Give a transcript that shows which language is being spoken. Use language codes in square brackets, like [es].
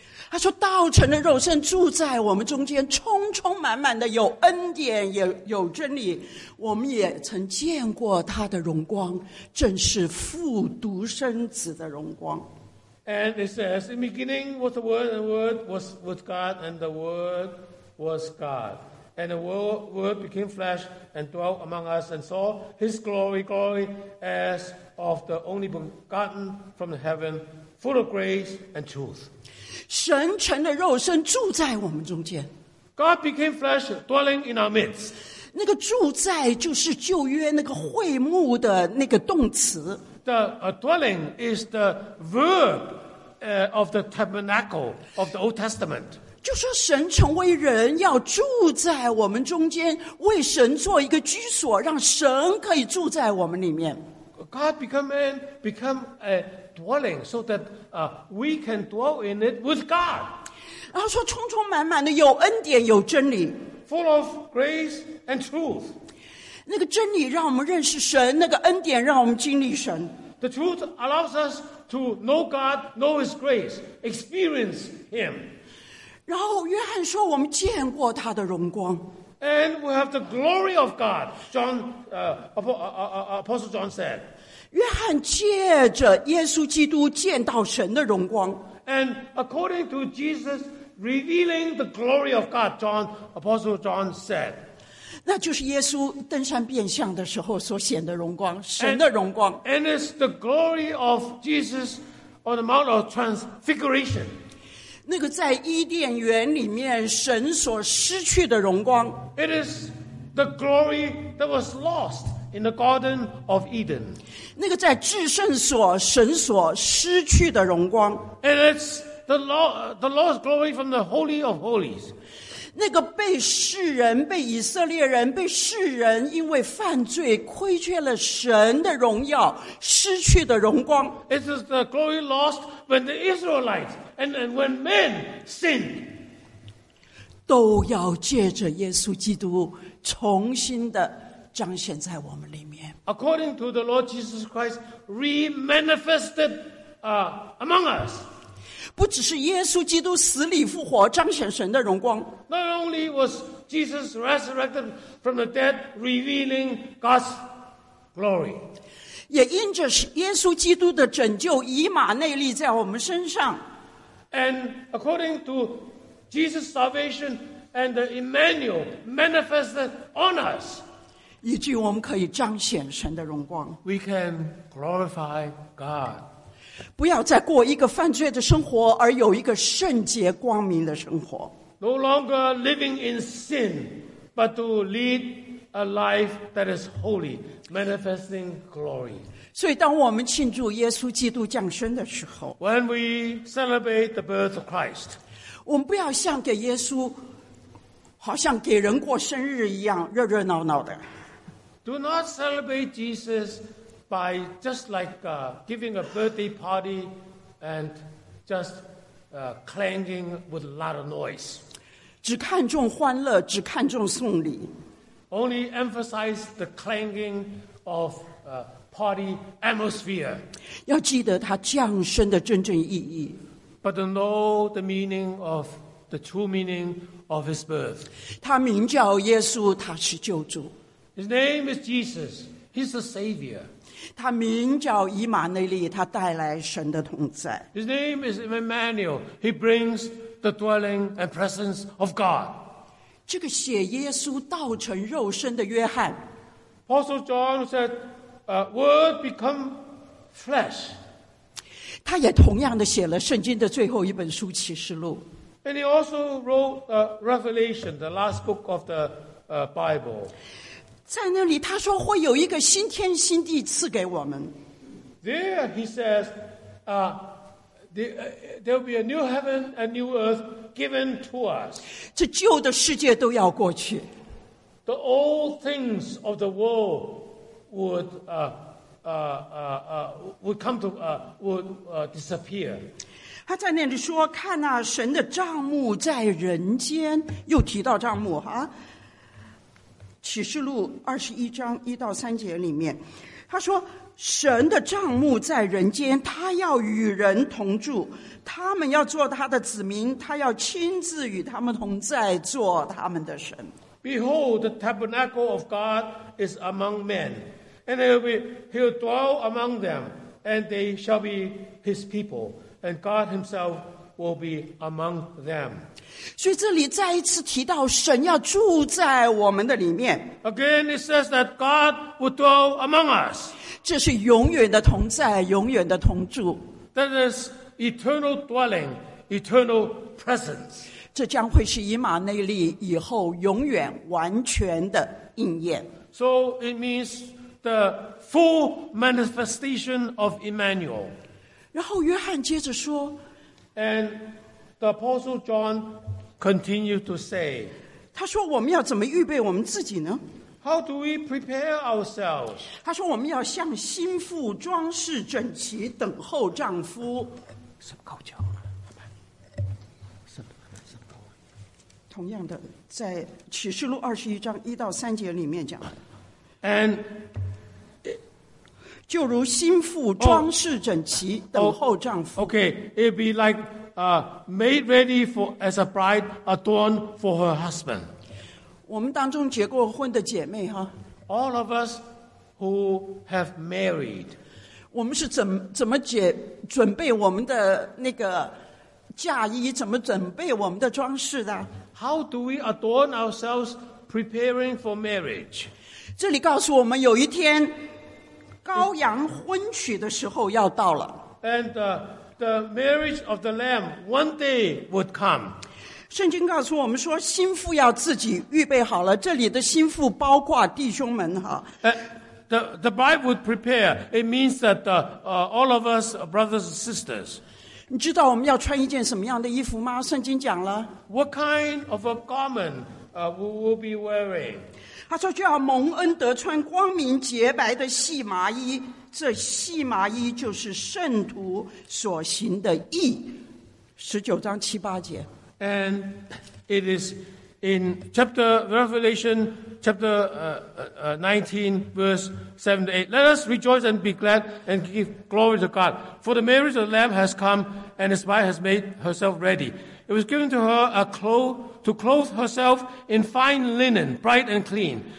[zh] 他说道成了肉身住在我们中间，充充满满的有恩典，也有真理，我们也曾见过他的荣光，正是父独生子的荣光。 [en] And it says, in the beginning was the word, and the word was with God, and the word was God. And the word became flesh and dwelt among us, and saw his glory, glory as of the only begotten from the heaven, full of grace and truth. [zh] 神成了肉身住在我们中间。 [en] God became flesh, dwelling in our midst. [zh] 那个住在就是旧约那个会幕的那个动词。 [en] The dwelling is the verb of the tabernacle of the Old Testament. [zh] 就说神成为人要住在我们中间，为神做一个居所，让神可以住在我们里面。 [en] God became man, become a dwelling, so that we can dwell in it with God. [zh] 然后说充充满满的有恩典有真理。 [en] Full of grace and truth. [zh] 那个真理让我们认识神，那个恩典让我们经历神。 [en] The truth allows us to know God, know His grace, experience Him. [zh] 然后约翰说我们见过他的荣光。 [en] And we have the glory of God, John, Apostle John said. [zh] 约翰借着耶稣基督见到神的荣光。 [en] And according to Jesus revealing the glory of God, John, Apostle John said. [zh] 那就是耶稣登山变相的时候所显的荣光，神的荣光。 [en] And it's the glory of Jesus on the Mount of Transfiguration. [zh] 那个在伊甸园里面神所失去的荣光。 [en] It is the glory that was lost in the Garden of Eden. [zh] 那个在至圣所神所失去的荣光。 [en] And it's the lost glory from the Holy of Holies. [zh] 那个被世人、被以色列人、被世人因为犯罪亏缺了神的荣耀失去的荣光。 [en] It is the glory lost when the Israelites. And then when men sin, [zh] 都要借着耶稣基督重新的彰显在我们里面。 [en] According to the Lord Jesus Christ, re-manifested among us. [zh] 不只是耶稣基督死里复活彰显神的荣光。 [en] Not only was Jesus resurrected from the dead, revealing God's glory. [zh] 也因着耶稣基督的拯救以马内利在我们身上。 [en] And according to Jesus' salvation and the Immanuel manifested on us, [zh] 以致我们可以彰显神的荣光。 [en] We can glorify God. [zh] 不要再过一个犯罪的生活，而有一个圣洁光明的生活。 [en] No longer living in sin, but to lead a life that is holy, manifesting glory. [zh] 所以当我们庆祝耶稣基督降生的时候， [en] When we celebrate the birth of Christ, [zh] 我们不要像给耶稣好像给人过生日一样热热闹闹的。 [en] Do not celebrate Jesus by just like giving a birthday party and just clanging with a lot of noise. [zh] 只看重欢乐，只看重送礼。 [en] Only emphasize the clanging of party atmosphere. [zh] 要记得他降生的真正意义。 [en] But to know the meaning of the true meaning. Of his birth. [zh] 他名叫耶稣，他是救主。 [en] His name is Jesus. He's the Savior. [zh] 他名叫以马内利，他带来神的同在。 [en] His name is Immanuel. He brings the dwelling and presence of God. [zh] 这个写耶稣道成肉身的约翰。 [en] Apostle John said, "Word become flesh." [zh] 他也同样的写了圣经的最后一本书启示录。 [en] And he also wrote Revelation, the last book of the Bible. [zh] 在那里他说会有一个新天新地赐给我们。 [en] There he says, there will be a new heaven and new earth given to us. [zh] 这旧的世界都要过去。 [en] The old things of the world would disappear. [zh] 他在那里说看啊神的帐幕在人间又提到帐幕哈，启示录二十一章一到三节里面他说神的帐幕在人间他要与人同住他们要做他的子民他要亲自与他们同在做他们的神 [en] Behold the tabernacle of God is among men and he'll dwell among them and they shall be his peopleAnd God Himself will be among them. [zh] 所以这里再一次提到神要住在我们的里面。 [en] Again, it says that God will dwell among us. [zh] 这是永远的同在，永远的同住。 [en] That is eternal dwelling, eternal presence. [zh] 这将会是以马内利以后永远完全的应验。 [en] So it means the full manifestation of Immanuel. [zh] 然后约翰接着说 [en] And the Apostle John continued to say [zh] 他说我们要怎么预备我们自己呢 [en] How do we prepare ourselves [zh] 他说我们要向心腹装饰整齐等候丈夫什么高脚吗同样的在启示录二十一章一到三节里面讲 [en] And [zh] 就如心腹装饰整齐 等候丈夫 [en] Okay, it'd be like made ready for as a bride adorned for her husband. [zh] 我们当中结过婚的姐妹哈 [en] All of us who have married. [zh] 我们是怎么准备我们的那个嫁衣怎么准备我们的装饰的 [en] How do we adorn ourselves preparing for marriage? [zh] 这里告诉我们有一天羔羊婚娶的时候要到了 [en] And the marriage of the lamb one day would come [zh] 圣经告诉我们说心腹要自己预备好了这里的心腹包括弟兄们哈 [en] the bride would prepare it means that all of us brothers and sisters [zh] 你知道我们要穿一件什么样的衣服吗圣经讲了 [en] What kind of a garment we will be wearing [zh] 他说就要蒙恩德穿光明洁白的细麻衣这细麻衣就是圣徒所行的义十九章七八节 [en] And it is in chapter Revelation chapter 19 verse 7-8 Let us rejoice and be glad and give glory to God For the marriage of the Lamb has come and his bride has made herself readyIt was given to her a cloth to clothe herself in fine linen, bright and clean.